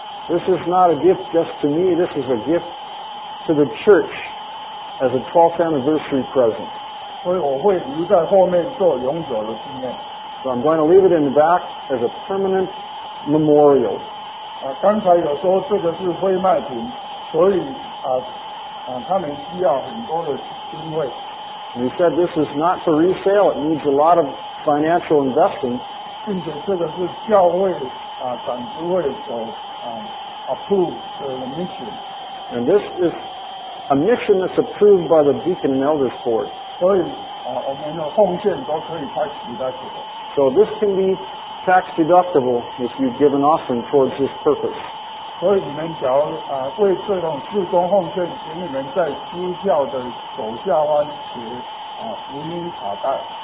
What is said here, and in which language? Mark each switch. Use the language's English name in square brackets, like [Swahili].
[English] This is not a gift just to me. This is a gift to the church as a 12th anniversary present. [Chinese] 所以我会留在后面做永久的纪念。 [English] So I'm going to leave it in the back as a permanent memorial. [Chinese] 刚才有说这个是非卖品，所以他们需要很多的经费。 [English] We said this is not for resale. It needs a lot of financial investment. [Chinese] 并且这个是教会长执会所 [English] approved mission. And this is a mission that's approved by the Deacon and Elders Board. [Chinese] 所以我们的奉献都可以 [English] tax deductible. So this can be tax deductible if you give an offering towards this purpose. [Chinese] 所以你们假如为这种自动奉献，请你们在支教的手下方写福音卡带。